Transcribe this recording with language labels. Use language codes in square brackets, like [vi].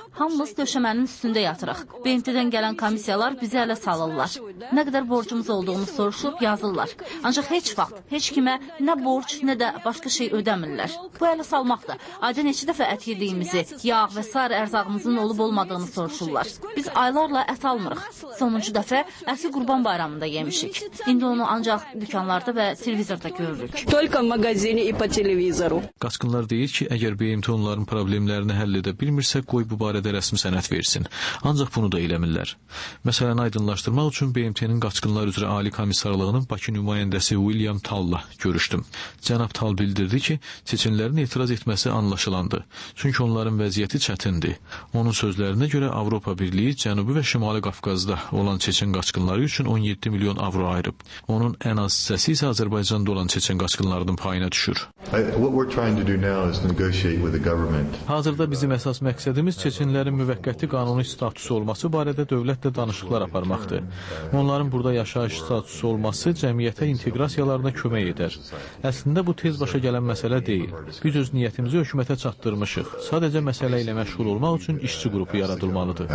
[az] Hamımız döşəmənin üstündə yatırıq. BMT-dən gələn komissiyalar bizi ələ salırlar. Nə qədər borcumuz olduğunu soruşub yazırlar. Ancaq heç vaxt, heç kimə nə borc, nə də başqa şey ödəmirlər. Bu ələ salmaqdır. Ayda neçə dəfə ət yediyimizi, yağ və s. ərzağımızın olub-olmadığını soruşurlar. Biz aylarla ət almırıq. Sonuncu dəfə əti Qurban bayramında yemişik. İndi onu ancaq dükanlarda və televizorda görürük. [ru] Только в магазине и по телевизору. [az] Qaçqınlar deyir ki, əgər BMT onların problemlərini həll edə bilmirsə, qoy bu barədə rəsmi sənəd versin. Ancaq bunu da eləmirlər. Məsələni aydınlaşdırmaq üçün BMT-nin Qaçqınlar üzrə Ali Komissarlığının Bakı nümayəndəsi William Talla görüşdüm. Cənab Tal bildirdi ki, seçimlərin etiraz etməsi anlaşılandı. Çünki onların vəziyyəti çətindir. Onun sözlərinə görə Avropa Birliyi Cənubi və Şimali Qafqazda olan seçim qaçqınları üçün 17 milyon avro ayırıb. Onun ən az hissəsi isə Azərbaycanda olan seçim qaçqınlarının payına düşür. [en] What we're trying to do now is negotiate with the government. [az] Hazırda bizim əsas məqsədimiz çeçenlərin müvəqqəti qanuni statusu olması barədə dövlətlə danışıqlar aparmaqdır. Onların burada yaşayış statusu olması cəmiyyətə inteqrasiyalarına kömək edər. Əslində bu tez başa gələn məsələ deyil. Biz öz niyyətimizi hökumətə çatdırmışıq. Sadəcə məsələ ilə məşğul olmaq üçün işçi qrupu yaradılmalıdır.